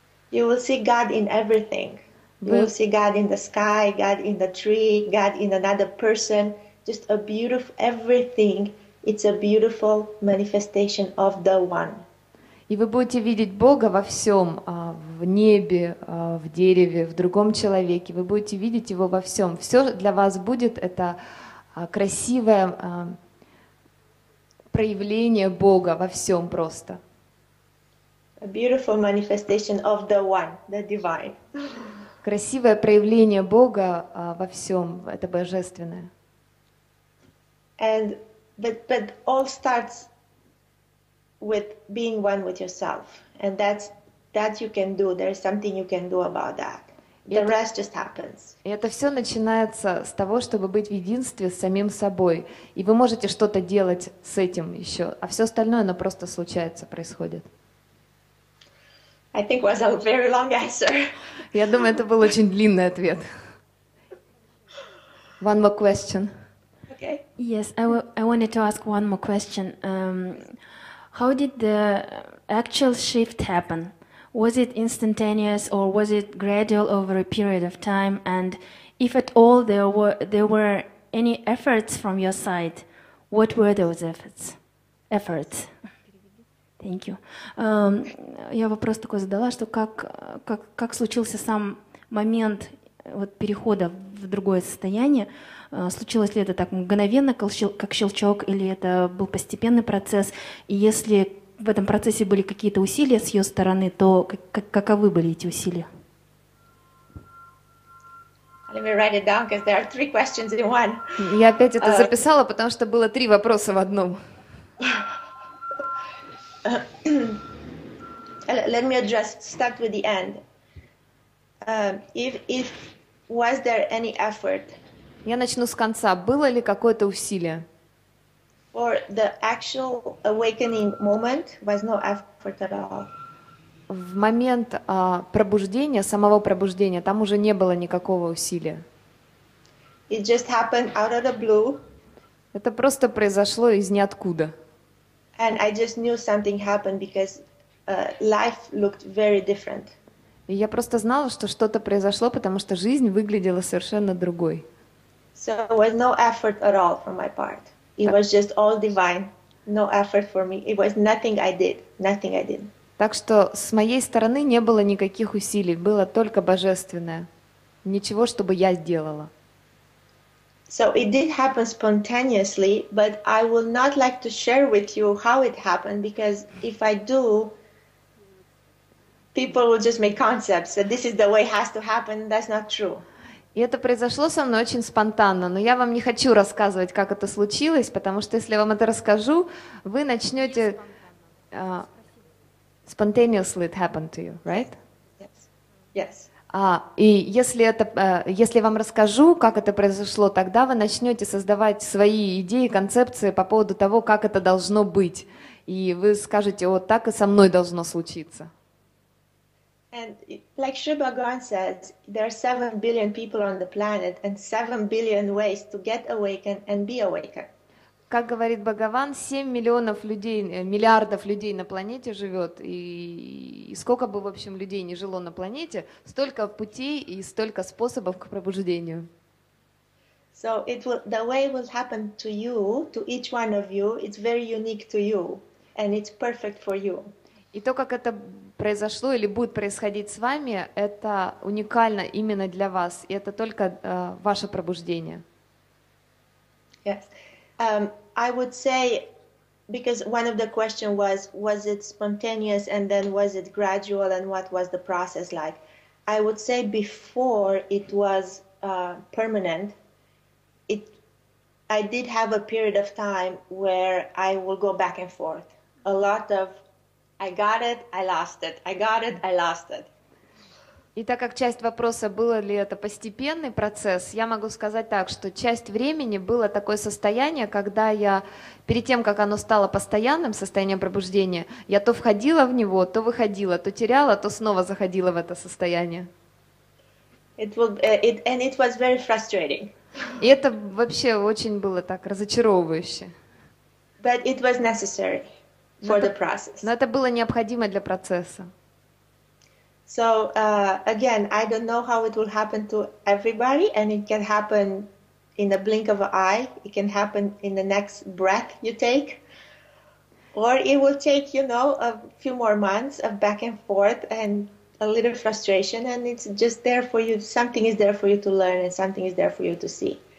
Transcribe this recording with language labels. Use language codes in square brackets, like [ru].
[en] You will see God in everything. You will see God in the sky, God in the tree, God in another person. Just a beautiful everything. It's a beautiful manifestation of the One. [ru] И вы будете видеть Бога во всем, в небе, в дереве, в другом человеке. Вы будете видеть Его во всем. Все для вас будет это красивое проявление Бога во всем просто. [en] A beautiful manifestation of the One, the Divine. [ru] Красивое проявление Бога во всем, это божественное. [en] And but all starts with being one with yourself, and that you can do. There is something you can do about that. The rest just happens. [ru] И это все начинается с того, чтобы быть в единстве с самим собой, и вы можете что-то делать с этим еще, а все остальное оно просто случается, происходит. [en] I think was a very long answer. [ru] Я думаю, это был очень длинный ответ. [en] One more question. Okay. Yes, I wanted to ask one more question. How did the actual shift happen? Was it instantaneous or was it gradual over a period of time? And if at all there were any efforts from your side, what were those efforts? Efforts. Thank you. [ru] Я вопрос такой задала, что как случился сам момент вот перехода в другое состояние? Случилось ли это так мгновенно, как щелчок, или это был постепенный процесс? И если в этом процессе были какие-то усилия с ее стороны, то каковы были эти усилия? [en] Let me write it down, because there are three questions in one. [ru] Я опять это записала, потому что было три вопроса в одном. [en] Let me address, start with the end. If was there any effort? [ru] Я начну с конца. Было ли какое-то усилие? [en] For the actual awakening moment, was no effort at all. [ru] В момент пробуждения, самого пробуждения, там уже не было никакого усилия. [en] It just happened out of the blue. [ru] Это просто произошло из ниоткуда. [en] And I just knew something happened because life looked very different. [ru] И я просто знала, что что-то произошло, потому что жизнь выглядела совершенно другой. [en] So it was no effort at all from my part. It was just all divine. No effort for me. It was nothing I did. Nothing I did. [ru] Так что с моей стороны не было никаких усилий, было только божественное. Ничего, чтобы я сделала. [en] So it did happen spontaneously, but I will not like to share with you how it happened, because if I do, people will just make concepts that this is the way it has to happen, that's not true. [ru] И это произошло со мной очень спонтанно, но я вам не хочу рассказывать, как это случилось, потому что если я вам это расскажу, вы начнете... [en] Spontaneously it happened to you, right? Yes. Yes. [ru] И если это, если вам расскажу, как это произошло, тогда вы начнете создавать свои идеи, концепции по поводу того, как это должно быть. И вы скажете, вот так и со мной должно случиться. [en] And like Sri Bhagwan said, there are 7 billion people on the planet and 7 billion ways to get awakened and be awakened. [ru] Как говорит Бхагаван, 7 миллионов людей, миллиардов людей на планете живет, и сколько бы, в общем, людей ни жило на планете, столько путей и столько способов к пробуждению. [en] So it will, the way it will happen to you, to each one of you, it's very unique to you, and it's perfect for you. [ru] И то, как это произошло или будет происходить с вами, это уникально именно для вас, и это только ваше пробуждение. [en] Yes. I would say, because one of the questions was it spontaneous and then was it gradual and what was the process like? I would say before it was permanent, I did have a period of time where I will go back and forth. A lot of, I got it, I lost it, I got it, I lost it. [ru] И так как часть вопроса, было ли это постепенный процесс, я могу сказать так, что часть времени было такое состояние, когда я, перед тем, как оно стало постоянным состоянием пробуждения, я то входила в него, то выходила, то теряла, то снова заходила в это состояние. [en] It was very frustrating. [ru] И это вообще очень было так разочаровывающе. [en] But it was necessary for the process. [ru] Но это было необходимо для процесса. [en] So again, I don't know how it will happen to everybody, and it can happen in the blink of an eye, it can happen in the next breath you take, or it will take, you know, a few more months of back and forth and a little frustration, and it's just there for you, something is there for you to learn and something is there for you to see.